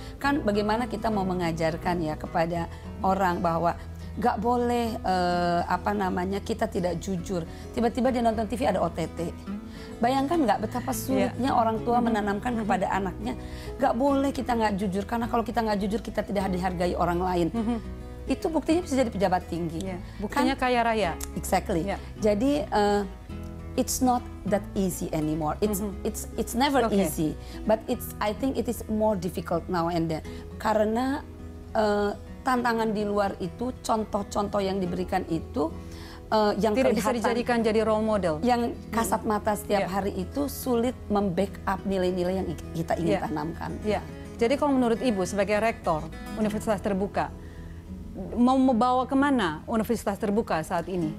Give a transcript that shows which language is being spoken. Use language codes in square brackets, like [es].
[id] Kan bagaimana kita mau mengajarkan ya kepada orang bahwa gak boleh kita tidak jujur. Tiba-tiba dia nonton TV ada OTT. Bayangkan gak betapa sulitnya orang tua menanamkan kepada anaknya, gak boleh kita gak jujur, karena kalau kita gak jujur kita tidak dihargai orang lain. Itu buktinya bisa jadi pejabat tinggi. Buktinya kan, kaya raya. [en] Exactly. [id] Jadi [en] it's not that easy anymore. It's never easy. But I think it is more difficult now and then. [id] Karena tantangan di luar itu, contoh-contoh yang diberikan itu yang tidak bisa dijadikan jadi role model, yang kasat mata setiap hari itu sulit membackup nilai-nilai yang kita ingin tanamkan. Jadi kalau menurut Ibu sebagai rektor Universitas Terbuka, mau membawa kemana Universitas Terbuka saat ini?